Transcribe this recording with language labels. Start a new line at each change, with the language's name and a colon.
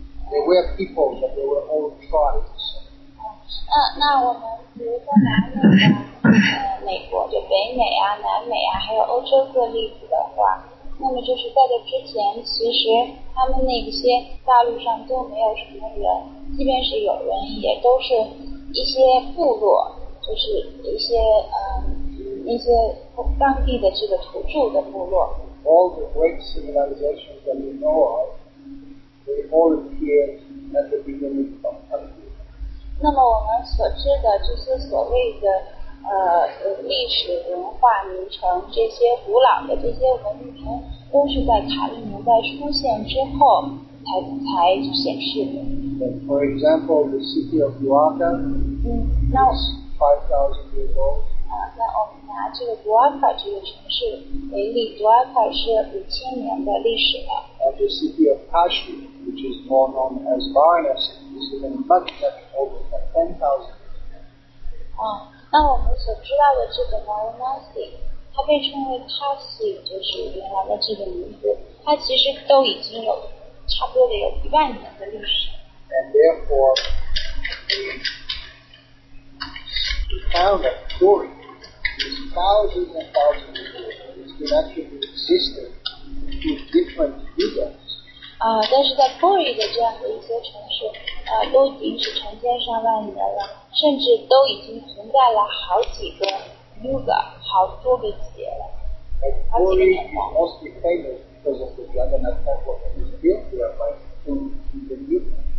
English: They were people, but they were all tribes.
Chinese: 那我们比如说南美美国就北美啊、南美啊，还有欧洲各例子的话，那么就是在这之前，其实他们那些大陆上都没有什么人，即便是有人，也都是一些部落，就是一些一些当地的这个土著的部落。
English: All the great civilizations that we know of. They all appeared at the beginning of Kali Yuga.
Chinese: 那么我们所知的这些所谓的历史文化名城，这些古老的这些文明，都是在卡利年代出现之后才显示的。
English: For example, the city of Dwarka. 5,000 years old.
Chinese: 那我们拿这个 Dwarka 这个城市为例 ，Dwarka 是5000年的历史了。
English: And the city of Kashi. Which is more known as Varanasi, is even much, much older than 10,000 years.
Chinese: 那我们所知道的这个 Varanasi, 它被称为 Kashi, 就是原来的这个名字，它其实都已经有差不多的有一万年的历史。
English: And therefore, the town of Puri is thousands and thousands of years old. It's been actually existed in different eras.
Chinese: 但是在波瑞的这样的一些城市，都已经是成千上万年了，甚至都已经存在了好几个 Yuga， 好多个节了。
English: Mostly famous because of the Jagannath Temple that is built here by the Yuga.